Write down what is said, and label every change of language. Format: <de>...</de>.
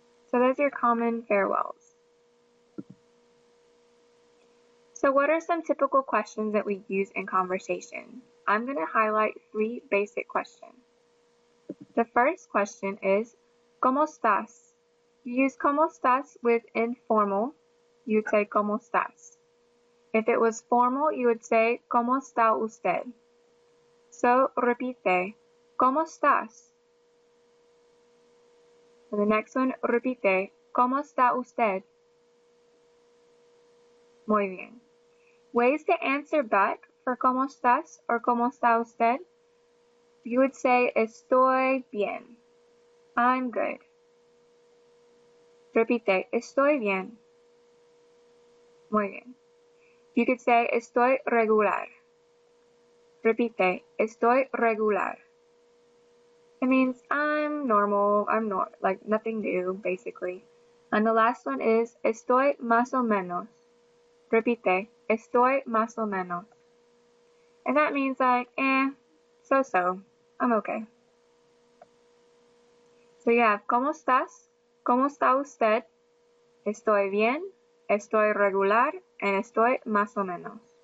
<en>So those are your common farewells. So what are some typical questions that we use in conversation? I'm going to highlight three basic questions. The first question is,</en> <es>¿cómo estás?</es> <en>You use ¿cómo estás? With informal, you would say</en> <es>¿cómo estás?</es> <en>If it was formal, you would say</en> <es>¿cómo está usted? So repite, ¿cómo estás?</es> <en>And the next one,</en> <es>repite, ¿cómo está usted? Muy bien.</es> <en>Ways to answer back for</en> <es>¿cómo estás? Or ¿cómo está usted?</es> <en>You would say</en> <es>estoy bien.</es> <en>I'm good.</en> <es>Repite, estoy bien. Muy bien.</es> <en>You could say</en> <es>estoy regular. Repite, estoy regular.</es> <en>It means I'm normal, I'm not like nothing new, basically. And the last one is estoy más o menos. Repite, estoy más o menos. And that means like, so-so. I'm okay. So you have,</en> <es>¿cómo estás? ¿Cómo está usted? Estoy bien. Estoy regular. And estoy más o menos.</es>